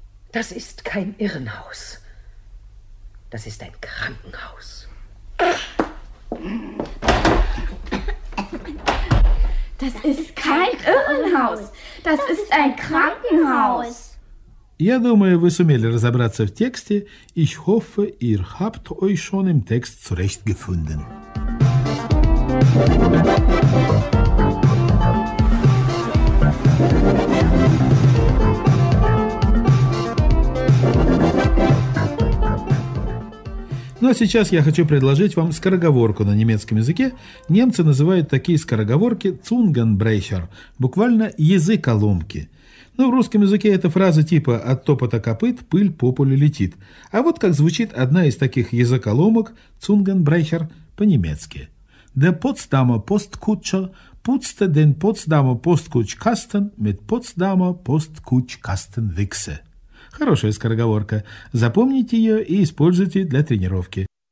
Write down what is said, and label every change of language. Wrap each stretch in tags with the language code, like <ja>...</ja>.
<de>Das ist kein Irrenhaus. Das ist ein Krankenhaus. Das ist kein Irrenhaus. Das ist ein Krankenhaus.</de> <ru>Я думаю, вы сумели разобраться в тексте.</ru> <de>Ich hoffe, ihr habt euch schon im Text zurechtgefunden.</de> <ru>Ну а сейчас я хочу предложить вам скороговорку на немецком языке. Немцы называют такие скороговорки «Zungenbrecher», буквально «язык оломки». Ну, в русском языке это фраза типа «от топота копыт пыль по полю летит». А вот как звучит одна из таких языколомок «Zungenbrecher» по-немецки.</ru> <de>«Der Potsdamer Postkutscher putzte den Potsdamer Postkutschkasten mit Potsdamer Postkutschkastenwichse».</de> <ru>Хорошая скороговорка. Запомните ее и используйте для тренировки.</ru>